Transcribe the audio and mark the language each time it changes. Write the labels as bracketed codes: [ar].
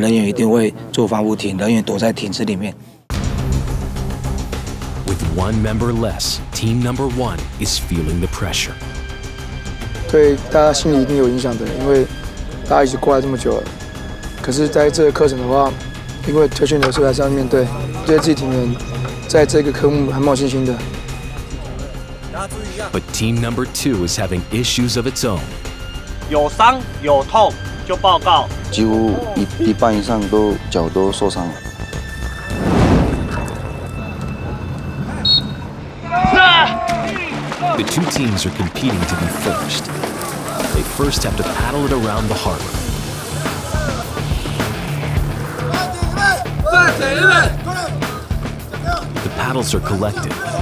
[zh] 敌机凌空就是飞机过去的时候，你可以就是人员不可能在艇上，所以我们人员一定会做防护艇，人员躲在艇子里面。 [en] One member less, team number one is feeling the pressure. [zh] 对大家心里一定有影响的，因为大家一直过来这么久了。可是，在这个课程的话，因为退训的时候还是要面对，对自己体能在这个科目很冒信心的。 [en] But team number two is having issues of its own. [zh] 有伤有痛就报告。几乎一半以上都脚都受伤了。 [en] The two teams are competing to be first. They first have to paddle it around the harbor. The paddles are collected.